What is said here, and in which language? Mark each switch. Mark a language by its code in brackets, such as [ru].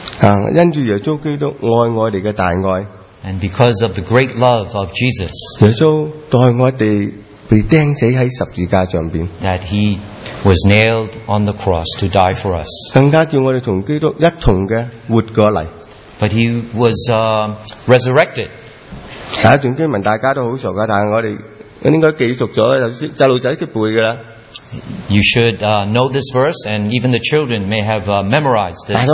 [en] And because of the great love of Jesus, that he was nailed on the cross to die for us. But he was resurrected. [yue] 第一段经文大家都很熟的，但系我哋应该记熟咗，就细路仔识背噶啦。 [en] You should know this verse, and even the children may have memorized this.